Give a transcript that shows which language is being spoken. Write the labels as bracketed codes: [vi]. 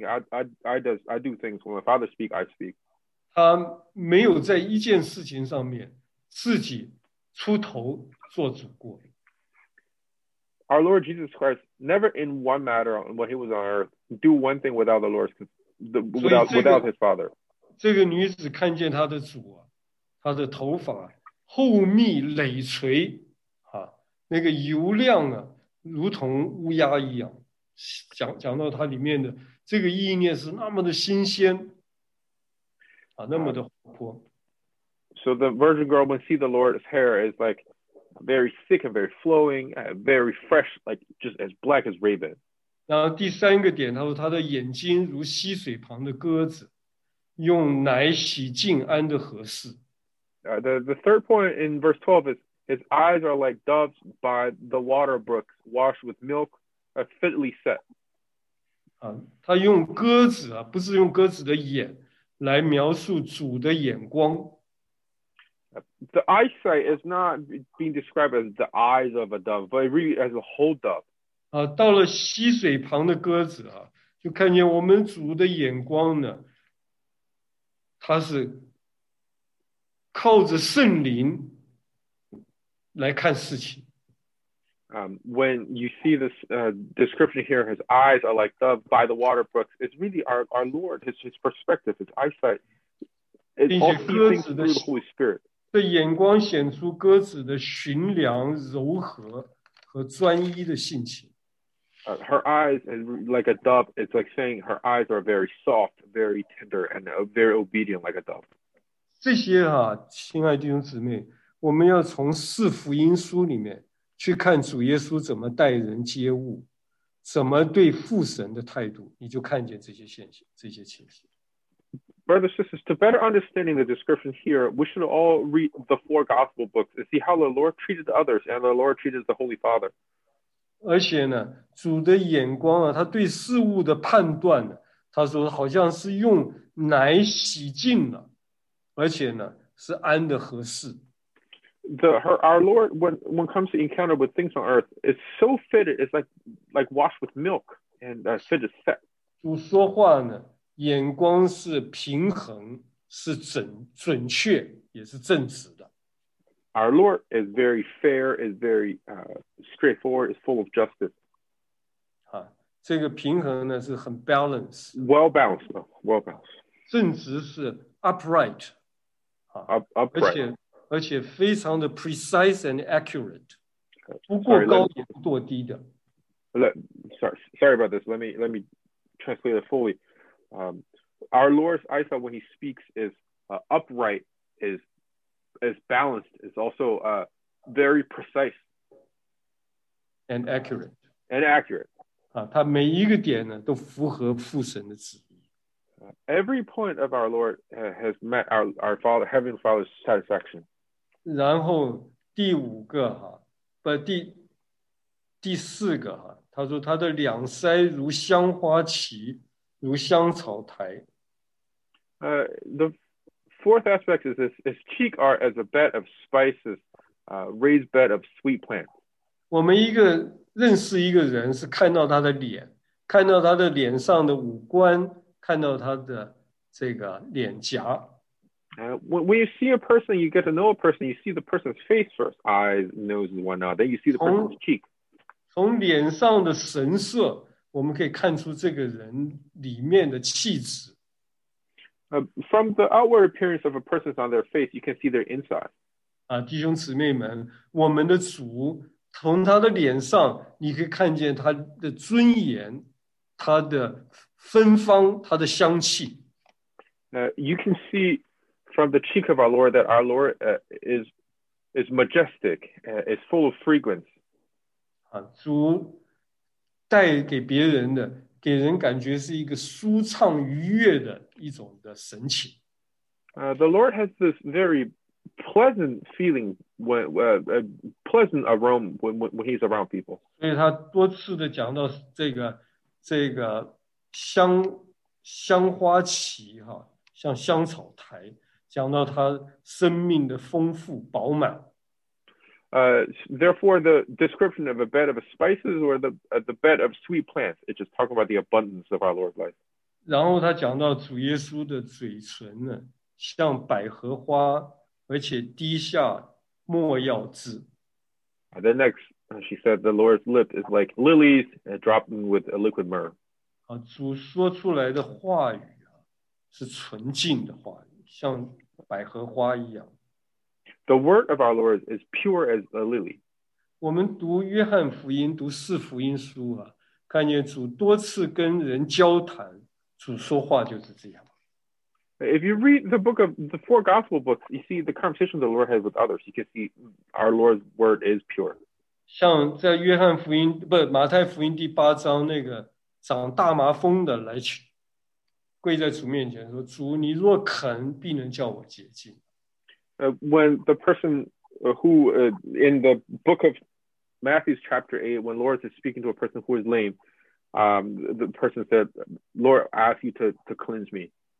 [en] When my father speaks, I speak. [zh] 他没有在一件事情上面自己出头做主过。 [en] Our Lord Jesus Christ never in one matter when he was on earth do one thing without the Lord's without his Father. [zh] 这个女子看见他的主啊。他的头发厚密累垂，啊，那个油亮啊，如同乌鸦一样。讲到他里面的这个意念是那么的新鲜，啊，那么的活泼。 [en] So the virgin girl when see the Lord's hair is like very thick and very flowing, very fresh, like just as black as raven. [zh] 然后第三个点，他说他的眼睛如溪水旁的鸽子，用奶洗净安的合适。 [en] The third point in verse 12 is his eyes are like doves by the water brooks washed with milk, fitly set. [zh] 啊，他用鸽子啊，不是用鸽子的眼来描述主的眼光。 [en] The eyesight is not being described as the eyes of a dove, but really as a whole dove. [zh] 啊，到了溪水旁的鸽子啊，就看见我们主的眼光呢。他是靠着圣灵来看事情。 [en] When you see this description here, his eyes are like dove by the water brooks. It's really our Lord, his perspective, his eyesight. It's all things through the Holy Spirit. [zh] 这眼光显出鸽子的驯良、柔和和专一的性情。 [en] Her eyes is like a dove. It's like saying her eyes are very soft, very tender, and very obedient like a dove. [zh] 这些啊，亲爱的弟兄姊妹，我们要从四福音书里面。去看主耶稣怎么待人接物，怎么对父神的态度，你就看见这些现象，这些情形。 [en] Brothers and sisters, to better understanding the description here, we should all read the four gospel books and see how the Lord treated others and the Lord treated the Holy Father. [zh] 而且呢，主的眼光啊，他对事物的判断呢，他说好像是用奶洗净了，而且呢是安的合适。 [en] Our Lord, when comes to encounter with things on earth, it's so fitted, it's like washed with milk, and fit is set. [zh] 主说话呢，眼光是平衡，是准确，也是正直的。 [en] Our Lord is very fair, is very straightforward, is full of justice. [zh] 啊，这个平衡呢是很 [en] balanced. Well balanced. [zh] 正直是 [en] upright. Upright. [zh] 而且非常的 [en] precise and accurate， [zh] 不过高也不过低的。 [en] Sorry about this. Let me translate it fully. Our Lord's eyesight when He speaks is upright, is balanced, is also very precise and accurate. And accurate. [zh] 他每一个点呢都符合父神的旨意。 [en] Every point of our Lord has met our Father, Heavenly Father's satisfaction. [zh] 然后第五个哈，不第四个哈，他说他的两腮如香花旗，如香草台。 [en] The fourth aspect is his cheek are as a bed of spices, raised bed of sweet plant. [zh] 我们一个认识一个人是看到他的脸，看到他的脸上的五官，看到他的这个脸颊。 [en] When you see a person, you get to know a person, you see the person's face first, eyes, nose, and whatnot, then you see the person's cheek. [zh] 从脸上的神色，我们可以看出这个人里面的气质。 [en] From the outward appearance of a person on their face, you can see their inside. [zh] 弟兄姊妹们，我们的主，从他的脸上，你可以看见他的尊严，他的芬芳，他的香气。 [en] You can see... From the cheek of our Lord, that our Lord is majestic, is full of fragrance. [zh] 主带给别人的，给人感觉是一个舒畅愉悦的一种的神情。 [en] The Lord has this very pleasant feeling, pleasant aroma when He's around people. [zh] 所以他多次的讲到这个香花旗哈，像香草台。讲到他生命的丰富饱满。 [en] Therefore, the description of a bed of spices or the bed of sweet plants, it just talks about the abundance of our Lord's life. [zh] 然后他讲到主耶稣的嘴唇呢，像百合花，而且滴下墨药汁。 [en] Then next, she said, the Lord's lip is like lilies dropping with a liquid myrrh. [zh] 主说出来的话语啊，是纯净的话语。像百合花一样。 [en] The word of our Lord is pure as a lily. [zh] 我们读约翰福音，读四福音书啊，看见主多次跟人交谈，主说话就是这样。 [en] If you read the book of the four gospel books, you see the conversation the Lord has with others. You can see our Lord's word is pure. [zh] 像在约翰福音，不，马太福音第八章那个长大麻风的来去。跪在主面前说：“主，你若肯，必能叫我洁净。” [en] When the person who in the book of Matthew's chapter 8, when Lord is speaking to a person who is lame, the person said, "Lord, I ask you to cleanse me."